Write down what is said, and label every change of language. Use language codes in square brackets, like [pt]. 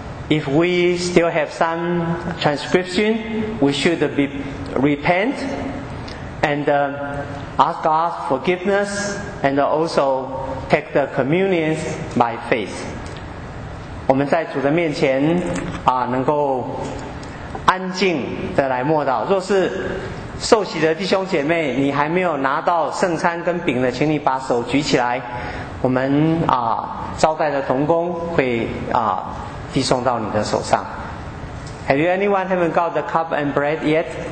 [en] If we still have some transgression, we should repent and ask God forgiveness and also take the communion by faith. [zh] 我们在主的面前啊，能够安静的来默祷。若是受洗的弟兄姐妹，你还没有拿到圣餐跟饼的，请你把手举起来，我们啊招待的同工会啊递送到你的手上。 [en] Have you anyone haven't got the cup and bread yet?